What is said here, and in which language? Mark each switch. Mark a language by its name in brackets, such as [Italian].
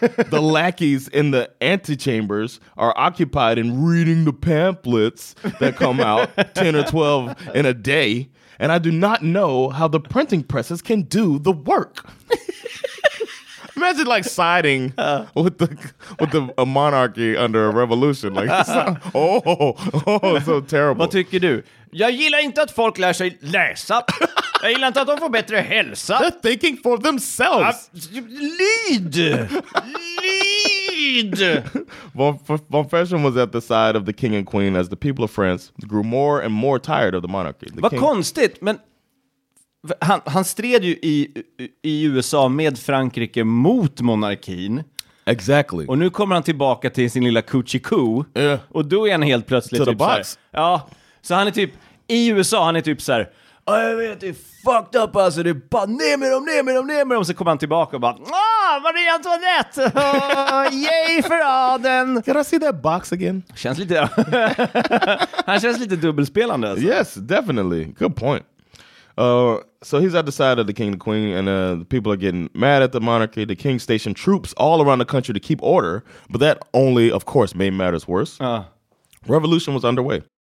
[English] The lackeys in the antechambers are occupied in reading the pamphlets that come out 10 or 12 in a day, and I do not know how the printing presses can do the work. Imagine like siding with the monarchy under a revolution. Like, oh, so terrible. [Swedish] Vad tycker du? Jag gillar inte att folk lär sig läsa. Jag gillar inte att de får bättre hälsa. [English] They're thinking for themselves. Lead! Lead! Von Fersen was at the side of the king and queen as the people of France grew more and more tired of the monarchy. The [Swedish] Vad konstigt, men han stred ju i USA med Frankrike mot monarkin. [English] Exactly. [Swedish] Och nu kommer han tillbaka till sin lilla coochie-coo. [English] Yeah. [Swedish] Och då är han helt plötsligt [English] to the box. [Swedish] Ja, så han är typ, i USA han är typ så här. Jag vet, det är [English] fucked up [Swedish] alltså. Det är bara ner med dem. Så kommer han tillbaka och bara, Marie Antoinette, yay för adeln. [English] Can I see that box again? [Swedish] Känns lite, han känns lite dubbelspelande alltså. [English] Yes, definitely, good point. So he's at the side of the king and the queen, and the people are getting mad at the monarchy. The king stationed troops all around the country to keep order, but that only, of course, made matters worse. Revolution was underway.